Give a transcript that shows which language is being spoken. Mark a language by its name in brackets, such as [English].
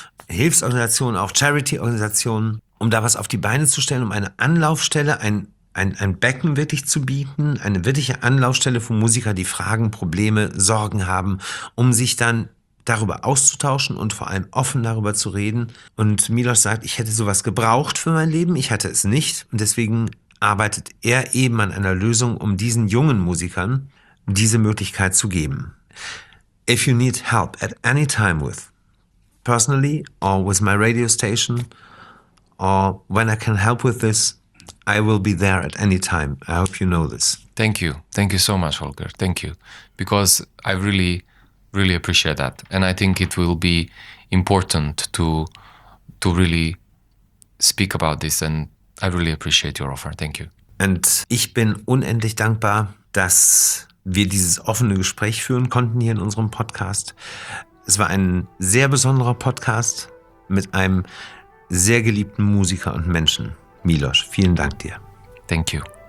[German] Hilfsorganisationen, auch Charity-Organisationen, um da was auf die Beine zu stellen, um eine Anlaufstelle, ein Becken wirklich zu bieten, eine wirkliche Anlaufstelle für Musiker, die Fragen, Probleme, Sorgen haben, um sich dann darüber auszutauschen und vor allem offen darüber zu reden. Und Milos sagt, ich hätte sowas gebraucht für mein Leben, ich hatte es nicht. Und deswegen arbeitet er eben an einer Lösung, um diesen jungen Musikern diese Möglichkeit zu geben. [English] If you need help at any time with, personally or with my radio station, or when I can help with this, I will be there at any time. I hope you know this. Thank you. Thank you so much, Holger. Thank you. Because I really, really appreciate that. And I think it will be important to really speak about this. And I really appreciate your offer. Thank you. [German] And ich bin unendlich dankbar, dass wir dieses offene Gespräch führen konnten hier in unserem Podcast. Es war ein sehr besonderer Podcast mit einem sehr geliebten Musiker und Menschen. Milos, vielen Dank dir. [English] Thank you.